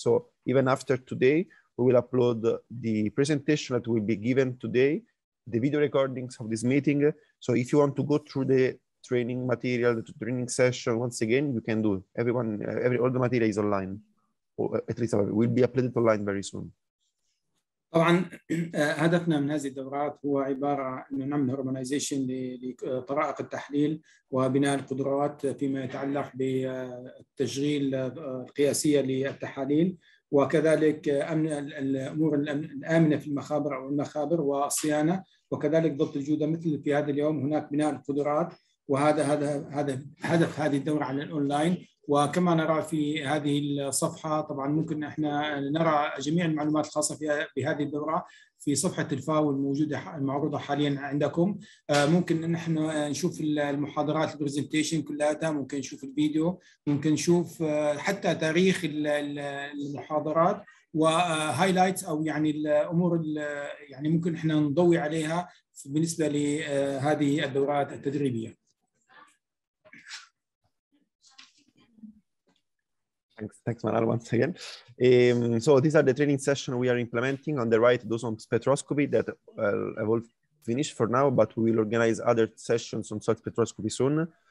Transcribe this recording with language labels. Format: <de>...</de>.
<en>So even after today, we will upload the presentation that will be given today, the video recordings of this meeting. So if you want to go through the training material, the training session, once again, you can do it. Everyone, all the material is online. At least we'll be uploaded online very soon.</en> <ar>طبعا هدفنا من هذه الدورات هو عبارة عن نعمل هرمونيزيشن لطرائق التحليل وبناء القدرات فيما يتعلق بالتشغيل القياسية للتحاليل وكذلك أمن الأمور الآمنة في المخابر أو المخابر والصيانة وكذلك ضبط الجودة مثل في هذا اليوم هناك بناء القدرات وهذا هدف هذه الدورة على الأونلاين وكما نرى في هذه الصفحة طبعا ممكن احنا نرى جميع المعلومات الخاصة بهذه الدورة في صفحة الفاو الموجودة المعروضة حاليا عندكم ممكن نحن نشوف المحاضرات البرزنتيشن كلها ممكن نشوف الفيديو ممكن نشوف حتى تاريخ المحاضرات وهايلايتس او يعني الامور يعني ممكن احنا نضوي عليها بالنسبة لهذه الدورات التدريبية</ar> <en>Thanks, Manal, once again. So these are the training sessions we are implementing. On the right, those on spectroscopy that I will finish for now, but we will organize other sessions on soil spectroscopy soon.</en>